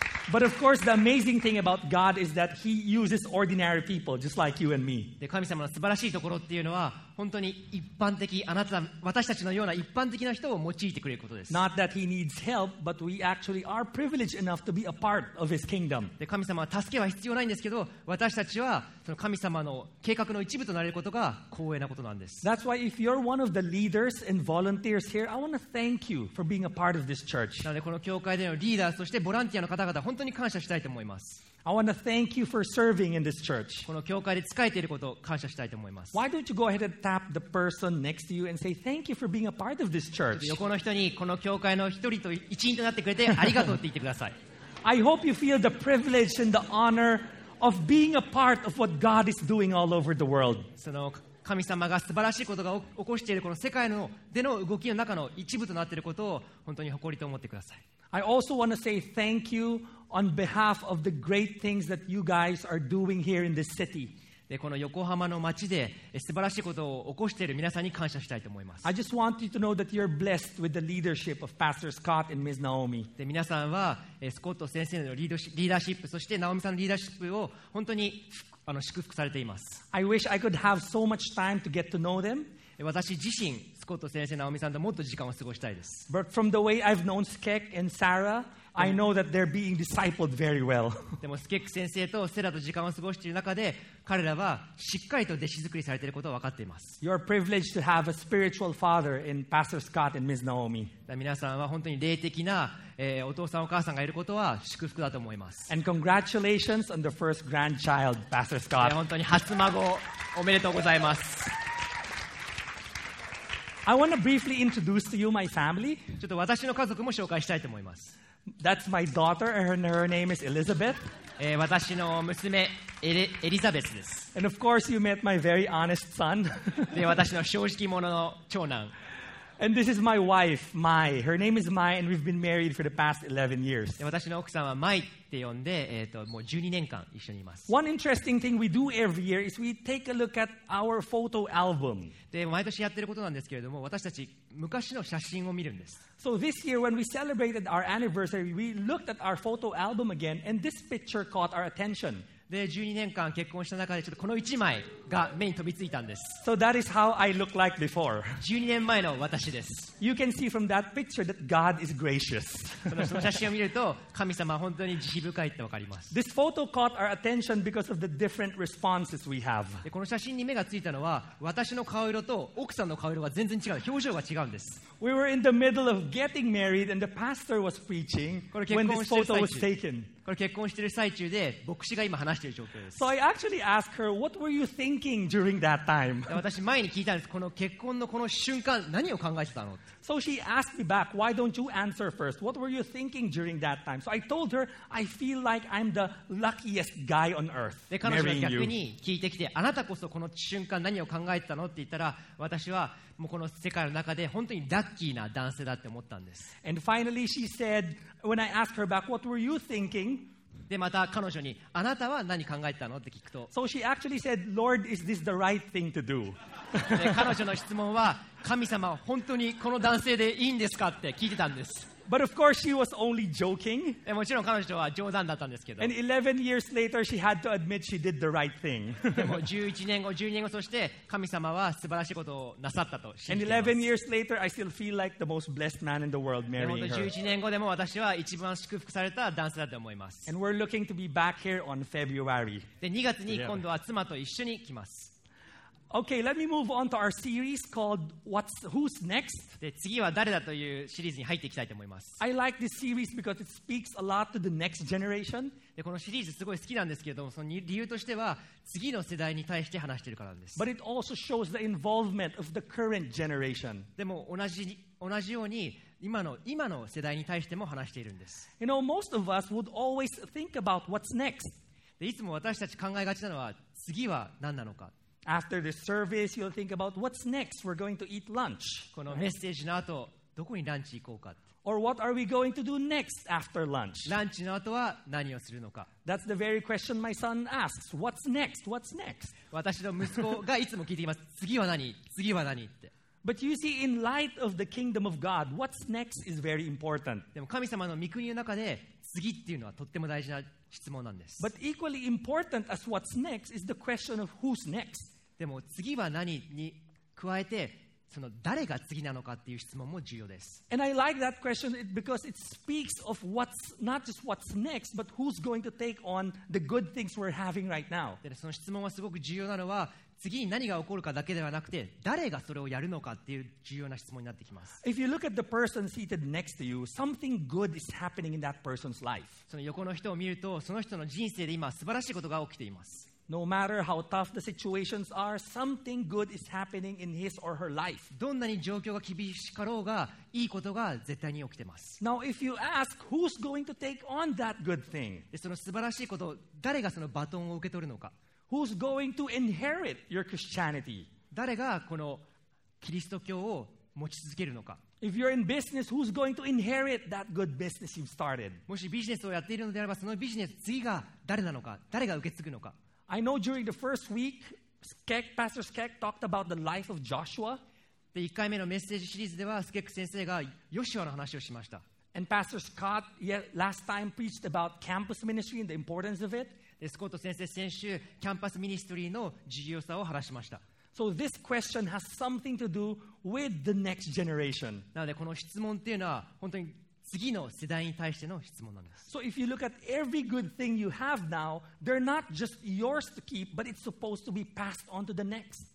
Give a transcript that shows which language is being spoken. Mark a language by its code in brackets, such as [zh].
[en] But of course, the amazing thing about God is that he uses ordinary people, just like you and me. [ja] で、神様の素晴らしいところっていうのは、本当に一般的、あなた、私たちのような一般的な人を用いてくれることです。 [en] Not that he needs help, but we actually are privileged enough to be a part of his kingdom. [ja] で、神様は助けは必要ないんですけど、私たちはその神様の計画の一部となれることが光栄なことなんです。 [en] That's why if you're one of the leaders and volunteers here, I want to thank you for being a part of this church. [ja] なので、この教会でのリーダー、そしてボランティアの方々、本当に感謝したいと思います。 [en] I want to thank you for serving in this church. [ja] この教会で仕えていることを感謝したいと思います。 [en] Why don't you go ahead and tap the person next to you and say thank you for being a part of this church? [ja] 横の人にこの教会の一人と一員となってくれてありがとうって言ってください。 [en] I hope you feel the privilege and the honor of being a part of what God is doing all over the world. [ja] その神様が素晴らしいことが起こしているこの世界のでの動きの中の一部となっていることを本当に誇りと思ってください。 [en] I also want to say thank you. On behalf of the great things that you guys are doing here in this city. [ja] で、この横浜の町で素晴らしいことを起こしている皆さんに感謝したいと思います。 [en] I just want you to know that you're blessed with the leadership of Pastor Scott and Ms. Naomi. [ja] で、皆さんはスコット先生のリーダーシップ、そしてナオミさんのリーダーシップを本当にあの祝福されています。 [en] I wish I could have so much time to get to know them. [ja] 私自身、スコット先生、ナオミさんともっと時間を過ごしたいです。 [en] But from the way I've known Skek and Sarah, I know that they're being discipled very well. [ja] でも、スケック先生とセラと時間を過ごしている中で、彼らはしっかりと弟子作りされていることを分かっています。 [en] You're privileged to have a spiritual father in Pastor Scott and Ms. Naomi. [ja] 皆さんは本当に霊的な、お父さんお母さんがいることは祝福だと思います。 [en] And congratulations on the first grandchild, Pastor Scott. [ja] 本当に初孫、おめでとうございます。 [en] I want to briefly introduce to you my family. [ja] ちょっと私の家族も紹介したいと思います。 [en] That's my daughter, and her name is Elizabeth. [ja] 私の娘、エリザベスです。 [en] And of course, you met my very honest son. [ja] で、私の正直者の長男。 [en] And this is my wife, Mai. Her name is Mai, and we've been married for the past 11 years. [ja] 私の奥さんはマイって呼んで、もう12年間一緒にいます。 [en] One interesting thing we do every year is we take a look at our photo album. [ja] で、毎年やってることなんですけれども、私たち昔の写真を見るんです。 [en] So this year, when we celebrated our anniversary, we looked at our photo album again, and this picture caught our attention. [ja] で12年間結婚した中でちょっとこの一枚が目に飛びついたんです。 [en] So that is how I look like before. [ja] 12年前の私です。 [en] You can see from that picture that God is gracious. [ja] その写真を見ると神様は本当に慈悲深いってわかります。 [en] This photo caught our attention because of the different responses we have. [ja] でこの写真に目がついたのは私の顔色と奥さんの顔色が全然違う、表情が違うんです。 [en] We were in the middle of getting married and the pastor was preaching when this photo was taken. [ja] これ結婚している最中で牧師が今話している状況です。 [en] So I actually asked her, what were you thinking during that time? [ja] 私前に聞いたんです。この結婚のこの瞬間、何を考えてたの？ [en] So she asked me back, why don't you answer first? What were you thinking during that time? So I told her, I feel like I'm the luckiest guy on earth. [ja] で、彼女が逆に聞いてきて、あなたこそこの瞬間何を考えてたのって言ったら、私はもうこの世界の中で本当にラッキーな男性だって思ったんです。 [en] And finally she said, when I asked her back, what were you thinking? [ja] でまた彼女にあなたは何考えたのって聞くと、 [en] So she actually said, Lord, is this the right thing to do? [ja] 彼女の質問は、神様本当にこの男性でいいんですかって聞いてたんです。 [en] But of course she was only joking. [ja] もちろん彼女は冗談だったんですけど。 [en] And 11 years later, she had to admit she did the right thing. [ja] でも11年後、12年後、そして神様は素晴らしいことをなさったと信じています。 [en] And 11 years later, I still feel like the most blessed man in the world marrying her. [ja] 11年後でも私は一番祝福された男性だと思います。 [en] And we're looking to be back here on February. [ja] で、2月に今度は妻と一緒に来ます。 [en] Okay, let me move on to our series called What's Who's Next? [ja] で、次は誰だというシリーズに入っていきたいと思います。 [en] I like this series because it speaks a lot to the next generation. [ja] で、このシリーズすごい好きなんですけれども、その理由としては次の世代に対して話しているからです。 [en] But it also shows the involvement of the current generation. [ja] でも同じように今の世代に対しても話しているんです。 [en] You know, most of us would always think about what's next. [ja] で、いつも私たち考えがちなのは次は何なのか。 [en] After this service, you'll think about what's next. We're going to eat lunch. [ja] このメッセージの後、どこにランチ行こうか。 [en] Or what are we going to do next after lunch? [ja] ランチの後は何をするのか。 [en] That's the very question my son asks. What's next? What's next? [ja] 私の息子がいつも聞いています。次は何？次は何？って。 [en] But you see, in light of the kingdom of God, what's next is very important. [ja] でも神様の御国の中で次っていうのはとっても大事な質問なんです。 [en] But equally important as what's next is the question of who's next. [ja] でも次は何に加えてその誰が次なのかっていう質問も重要です。 [en] And I like that question because it speaks of what's not just what's next, but who's going to take on the good things we're having right now. [ja] で、その質問はすごく重要なのは次に何が起こるかだけではなくて誰がそれをやるのかっていう重要な質問になってきます。 [en] If you look at the person seated next to you, something good is happening in that person's life. [ja] その横の人を見るとその人の人生で今素晴らしいことが起きています。 [en] No matter how tough the situations are, something good is happening in his or her life. [ja] どんなに状況が厳しかろうがいいことが絶対に起きてます。 [en] Now if you ask who's going to take on that good thing? [ja] その素晴らしいこと誰がそのバトンを受け取るのか。 [en] Who's going to inherit your Christianity? [ja] 誰がこのキリスト教を持ち続けるのか。 [en] If you're in business, who's going to inherit that good business you've started? [ja] もしビジネスをやっているのであれば、そのビジネス次が誰なのか、誰が受け継ぐのか。 [en] I know during the first week, Pastor Skek talked about the life of Joshua. [ja] で、1回目のメッセージシリーズではスケック先生がヨシュアの話をしました。 [en] And Pastor Scott last time preached about campus ministry and the importance of it. [ja] で、スコット先生、先週、キャンパスミニストリーの重要さを話しました。 [en] So this question has something to do with the next generation. [ja] なので、この質問っていうのは、本当に次の世代に対しての質問なんです。 [en] So if you look at every good thing you have now, they're not just yours to keep, but it's supposed to be passed on to the next.